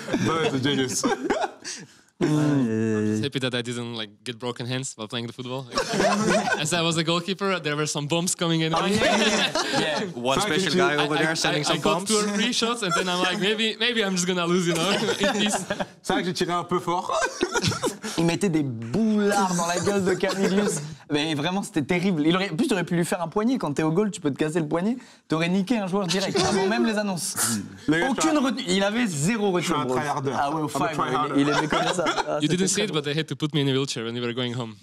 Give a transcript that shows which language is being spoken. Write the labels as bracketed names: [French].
[English] Bao is a genius. I'm just happy that I didn't like get broken hands while playing the football. As I was a goalkeeper, there were some bumps coming in. Oh, yeah. Yeah. One special guy over there sending some bumps. I got two or three shots, and then I'm like, maybe I'm just gonna lose, you know? [French] C'est vrai que j'ai tiré un peu fort. Il mettait des boulards dans la gueule de Camilius. Mais vraiment, c'était terrible. En plus, t'aurais pu lui faire un poignet. Quand t'es au goal, tu peux te casser le poignet. T'aurais niqué un joueur direct, avant même les annonces. Aucune retenue. Il avait zéro retenue. Je suis un tryharder. Ah ouais, au five. Il aimait comme ça. [English] You didn't see it, but they had to put me in a wheelchair when we were going home.